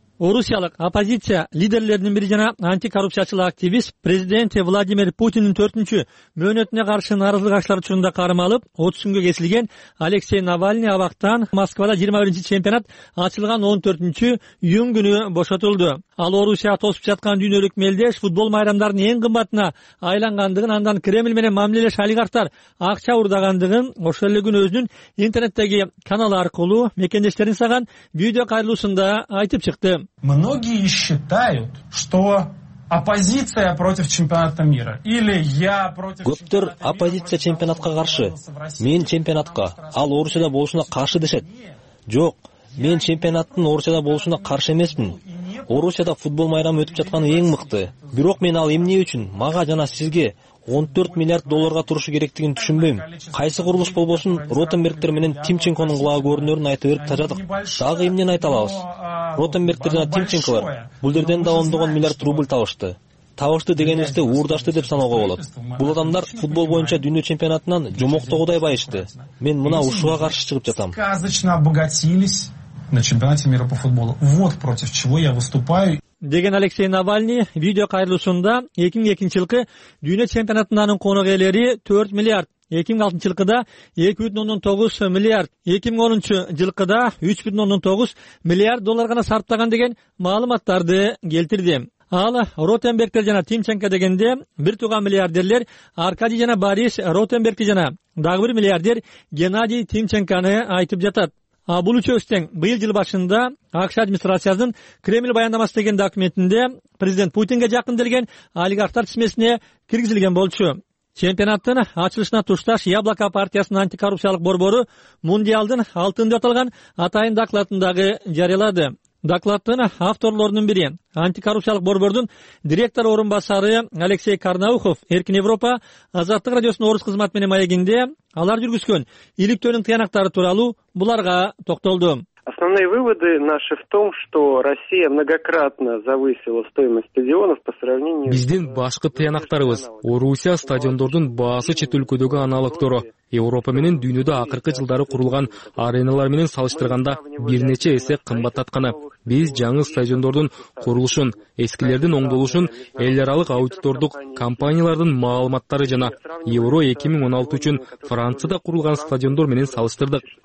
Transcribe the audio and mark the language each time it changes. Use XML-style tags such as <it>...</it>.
<ky>Орусиялык оппозиция лидерлеринин бири жана антикоррупциячыл активист президент Владимир Путиндин 4-түнчү мөөнөтүнө каршы нарызылык акчалары учурунда кармалып 30 күнгө кесилген Алексей Навальный абактан Москвада 21-чи чемпионат ачылган 14-түнчү июнь күнү бошотулду. Ал Орусияга тосуп жаткан дүйнөлүк мелдеш футбол майрамдарынын эң кымбатына айлангандыгын, андан Кремль менен мамилелеш олигархтар акча урдагандыгын ошол эле күнү өзүнүн интернеттеги каналы аркылуу мекендештерин саган видео кайрылуусунда айтып чыкты.</ky> <ru>Многие считают, что оппозиция против чемпионата мира или я против.</ru> <ky>Көптөр оппозиция чемпионатка каршы, мен чемпионатка, ал Орусияда болушуна каршы дешет. Жок, мен чемпионаттын Орусияда болушуна каршы эмесмин. Орусияда футбол майрамы өтүп жатканы эң мыкты. Бирок мен ал эмне үчүн мага жана сизге 14 миллиард долларга турушу керектигин түшүнбөйм. Кайсы курулуш болбосун, Ротенбергдер менен Тимченконун кулагы көрүнөрүн айтып берип тажадык. Дагы эмнени айта алабыз? Ротенбергдер жана Тимченколор булдерден да 10 миллиард рубль табышты. Табышты дегенибизди уурдашты деп саноого болот. Бул адамдар футбол боюнча дүйнө чемпионатынан жомоктогудай байышты. Мен мына ушуга каршы чыгып жатам.</ky> <ru>Сказочно обогатились на чемпионате мира по футболу. Вот против чего я выступаю.</ru> <ky>Деген Алексей Навальный видео кайрылуусунда 2002 жылкы дүйнө чемпионатынын конок ээлери 4 миллиард, 2006 жылкыда 2.9 миллиард, 2010 жылкыда 3.9 миллиард доллар гана сарптаган деген маалыматтарды келтирди. Ал Ротенбергдер жана Тимченко дегенде бир тууган миллиардерлер Аркадий жана Борис Ротенбергди жана дагы бир миллиардер Геннадий Тимченконы айтып жатат. А бул үчөөсү тең быйыл жыл башында АКШ администрациясынын Кремль баяндамасы деген документинде президент Путинге жакын келген олигархтар тизмесине киргизилген болчу. Чемпионаттын ачылышына тушташ Яблоко партиясынын антикоррупциялык борбору мундиалдын алтын деп аталган атайын докладындагы жарыялады. Докладтын авторлорунун бири антикоррупциялык борбордун директор орун басары Алексей Карнаухов Эркин Европа Азаттык радиосунун орус кызматы менен маегинде алар жүргүзгөн иликтөөнүн тыянактары тууралуу буларга токтолду.</ky> <ru>Основные выводы наши в том, что Россия многократно завысила стоимость стадионов по сравнению.</ru> <ky>Биздин башкы тыянактарыбыз Орусия стадиондордун баасы чет өлкөдөгү аналогдору Европа менен дүйнөдө акыркы жылдары курулган аренелар менен салыштырганда бир нече эсе кымбаттатканы. Биз жаңы стадиондордун курулушун, эскилердин оңдолушун, эл аралык аудитордук компаниялардын маалыматтары жана Евро 2016 үчүн Францияда курулган стадиондор менен салыштырдык.</ky>